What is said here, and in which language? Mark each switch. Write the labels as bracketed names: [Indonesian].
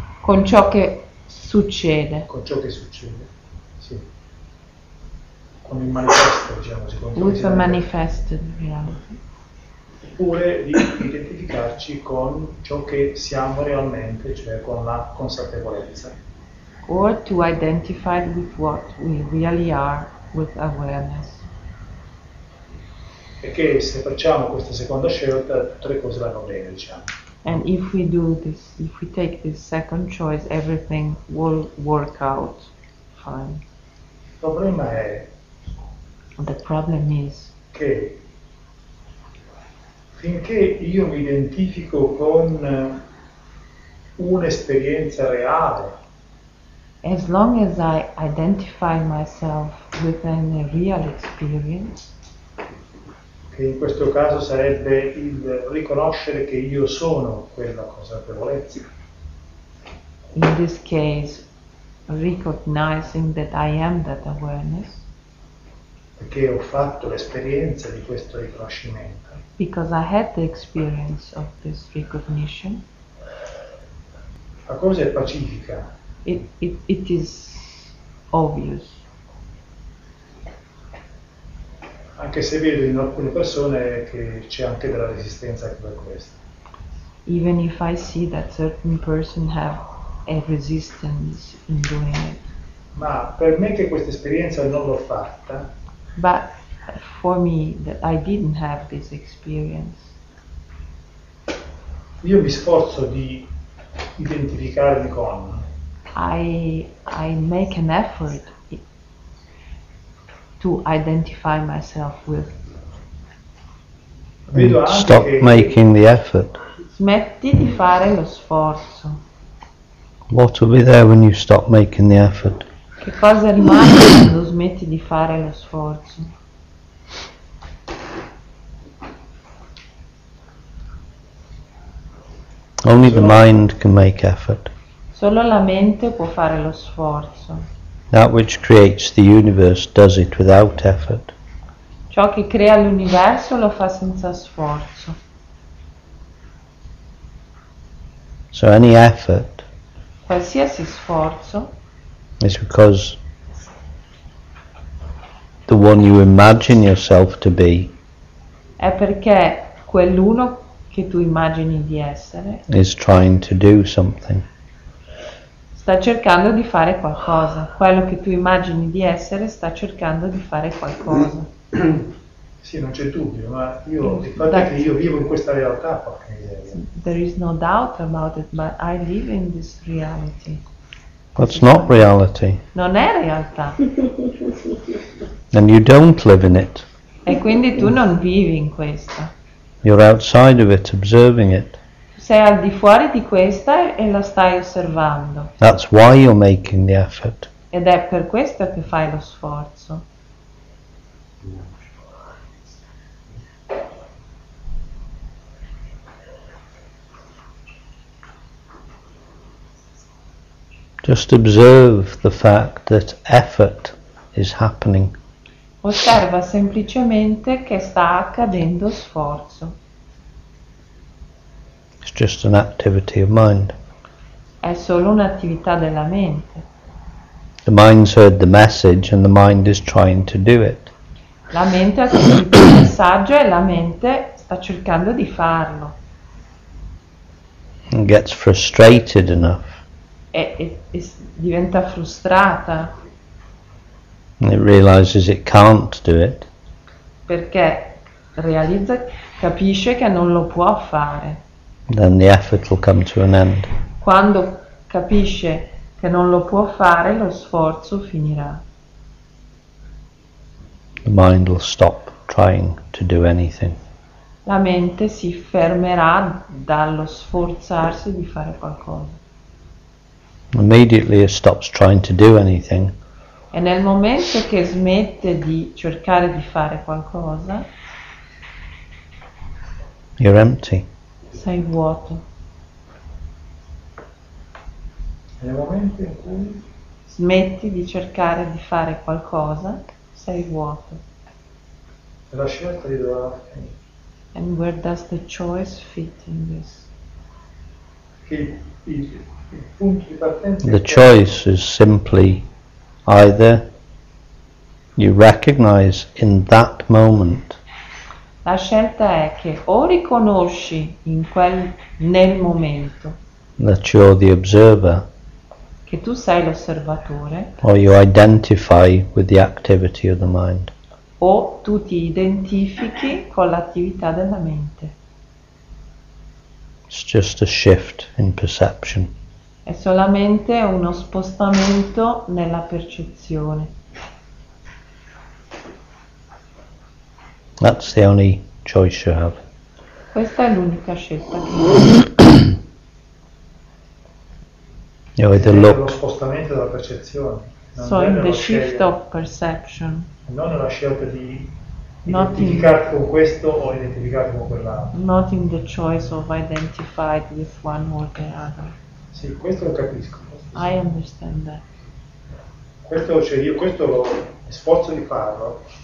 [Italian] Con ciò che succede. Con ciò che succede. Con il manifesto, diciamo, secondo [English] with a manifested reality. [Italian] Oppure di identificarci con ciò che siamo realmente, cioè con la consapevolezza. [English] Or to identify with what we really are, with awareness. [Italian] E che se facciamo questa seconda scelta, tutte le cose vanno bene, diciamo. [English] And if we do this, if we take this second choice, everything will work out fine. [Italian] Il problema è, [English] the problem is, [Italian] che finché io mi identifico con un'esperienza reale, [English] as long as I identify myself with a real experience, [Italian] che in questo caso sarebbe il riconoscere che io sono quella consapevolezza, [English] in this case recognizing that I am that awareness, [Italian] perché ho fatto l'esperienza di questo riconoscimento. [English] Because I had the experience of this recognition. [Italian] La cosa è pacifica. [English] It is obvious. [Italian] Anche se vedo in alcune persone che c'è anche della resistenza anche per questo. [English] Even if I see that certain person have a resistance in doing it. [Italian] Ma per me che questa esperienza non l'ho fatta. [English] But for me that I didn't have this experience. [Italian] Io mi sforzo di identificarmi con. [English] I make an effort to identify myself with. Stop making the effort. [Italian] Smetti di fare lo sforzo. [English] What will be there when you stop making the effort? [Italian] Che cosa rimane quando smetti di fare lo sforzo? [English] Only the mind can make effort. [Italian] Solo la mente può fare lo sforzo. [English] That which creates the universe does it without effort. [Italian] Ciò che crea l'universo lo fa senza sforzo. [English] So any effort. [Italian] Qualsiasi sforzo. [English] Is because the one you imagine yourself to be. [Italian] È perché quell'uno che tu immagini di essere. [English] Is trying to do something. [Italian] Sta cercando di fare qualcosa. Quello che tu immagini di essere sta cercando di fare qualcosa. Sì, non c'è dubbio, ma io il fatto che io vivo in questa realtà. [English] There is no doubt about it, but I live in this reality. That's not reality. Non è realtà. And you don't live in it. [Italian] E quindi tu non vivi in questa. [English] You're outside of it, observing it. [Italian] Sei al di fuori di questa e la stai osservando. [English] That's why you're making the effort. [Italian] Ed è per questo che fai lo sforzo. [English] Just observe the fact that effort is happening. [Italian] Osserva semplicemente che sta accadendo sforzo. [English] It's just an activity of mind. [Italian] È solo un'attività della mente. [English] The mind's heard the message and the mind is trying to do it. [Italian] La mente ha sentito il messaggio e la mente sta cercando di farlo. [English] And gets frustrated enough. [Italian] E diventa frustrata. [English] And it realizes it can't do it. [Italian] Perché realizza, capisce che non lo può fare. [English] Then the effort will come to an end. [Italian] Quando capisce che non lo può fare, lo sforzo finirà. [English] The mind will stop trying to do anything. [Italian] La mente si fermerà dallo sforzarsi di fare qualcosa. [English] Immediately it stops trying to do anything. [Italian] E nel momento che smette di cercare di fare qualcosa, [English] you're empty. [Italian] Sei vuoto. Nel momento in cui smetti di cercare di fare qualcosa, sei vuoto. E la scelta di dove va a finire? [English] And where does the choice fit in this? [Italian] Il punto di partenza. [English] The choice is simply either you recognize in that moment. [Italian] La scelta è che o riconosci in quel nel momento [English] that you're the observer, [Italian] che tu sei l'osservatore, [English] or you identify with the activity of the mind, [Italian] o tu ti identifichi con l'attività della mente. [English] It's just a shift in perception. [Italian] È solamente uno spostamento nella percezione. [English] That's the only choice you have. [Italian] Questa è l'unica scelta. [English] You either look. [Italian] Lo spostamento della percezione. [English] So in the shift of perception. [Italian] Non è la scelta di identificare con questo o identificare con quell'altro. [English] Not in the choice of identified with one or the other. [Italian] Sì, questo lo capisco. [English] I understand that. [Italian] Questo, cioè io questo lo sforzo di farlo.